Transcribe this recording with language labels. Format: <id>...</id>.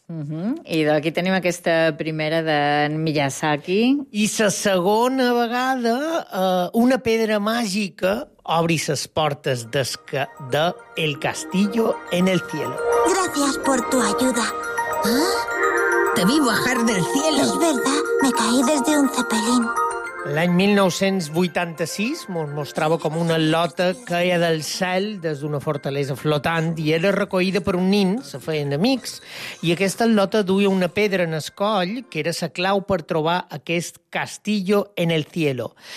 <ca>Uh-huh. I d'aquí tenim aquesta primera d'en Miyazaki. I la segona vegada, una pedra màgica obri les portes de El Castillo en el Cielo.</ca> <es>Gracias por tu ayuda. ¿Ah? Te vi bajar del cielo. Es verdad, me caí desde un zeppelin.</es> <ca>L'any 1986 mos mostrava com una lota caia del cel des d'una fortalesa flotant i era recollida per un nin, se feien amics, i aquesta lota duia una pedra en el coll que era la clau per trobar aquest castillo en el cielo.</ca>